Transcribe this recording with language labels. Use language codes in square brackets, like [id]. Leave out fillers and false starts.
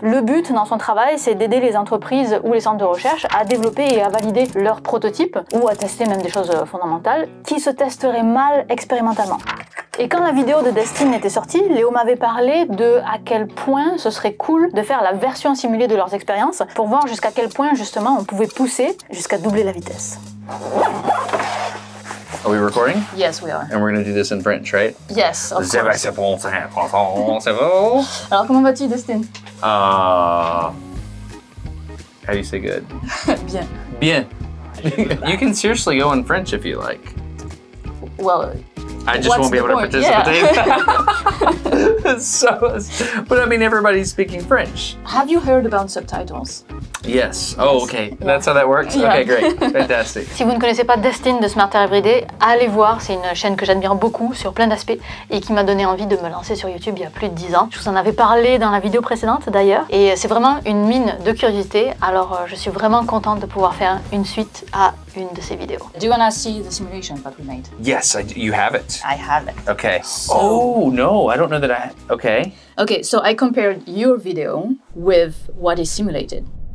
[fr] Le but dans son travail, c'est d'aider les entreprises ou les centres de recherche à développer et à valider leurs prototypes, ou à tester même des choses fondamentales, qui se testeraient mal expérimentalement. Et quand la vidéo de Destin était sortie, Léo m'avait parlé de à quel point ce serait cool de faire la version simulée de leurs expériences pour voir jusqu'à quel point justement on pouvait pousser jusqu'à doubler la vitesse. [en] Are we recording? Yes, we are. And we're going to do this in French, right? Yes, of course. [fr] C'est bon, c'est bon. Alors comment vas-tu, Destin? [en] How do you say good? [fr] Bien. Bien. [en] You can seriously go in French if you like. Well, I just won't be able to participate. Yeah. So, but I mean, everybody's speaking French. Have you heard about subtitles? Yes. Oh, okay. Yeah. That's how that works? Yeah. Okay, great. Fantastic. [fr] Si vous ne connaissez pas Destin de Smarter Everyday, allez voir. C'est une chaîne que j'admire beaucoup sur plein d'aspects et qui m'a donné envie de me lancer sur YouTube il y a plus de 10 ans. Je vous en avais parlé dans la vidéo précédente d'ailleurs. Et c'est vraiment une mine de curiosité. Alors, je suis vraiment contente de pouvoir faire une suite à une de ces vidéos. [en] Do you want to see the simulation that we made? Yes, you have it. I have it. Okay. So, oh, no, I don't know that I... Okay. Okay, so I compared your video with what is simulated.